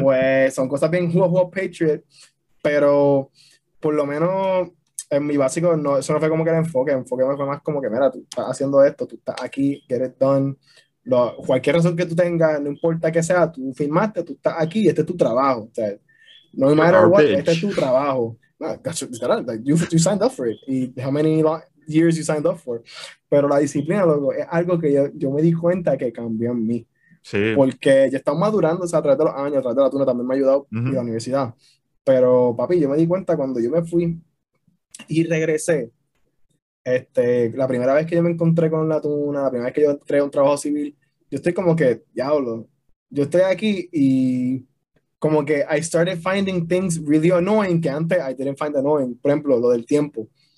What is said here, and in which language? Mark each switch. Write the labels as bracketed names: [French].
[Spanish] Pues son cosas bien hua hua patriot, pero por lo menos en mi básico, no, eso no fue como que el enfoque fue más como que, mira, tú estás haciendo esto, tú estás aquí, [English] get it done. [Spanish] Cualquier razón que tú tengas, no importa que sea, tú firmaste, tú estás aquí y este es tu trabajo. O sea, [English] no matter our what, bitch. [Spanish] Este es tu trabajo. No, [English] like, you signed up for it. Y how many years you signed up for. [Spanish] Pero la disciplina, luego, es algo que yo me di cuenta que cambió en mí. Sí. Porque ya estaba madurando, o sea, a través de los años, a través de la tuna también me ha ayudado, uh-huh. y la universidad. Pero, papi, yo me di cuenta cuando yo me fui y regresé, este, la primera vez que yo me encontré con la tuna, la primera vez que yo entré a un trabajo civil, yo estoy como que, diablo, yo estoy aquí y como que [English] I started finding things really annoying [Spanish] que antes [English] I didn't find annoying. [Spanish] Por ejemplo, lo del tiempo.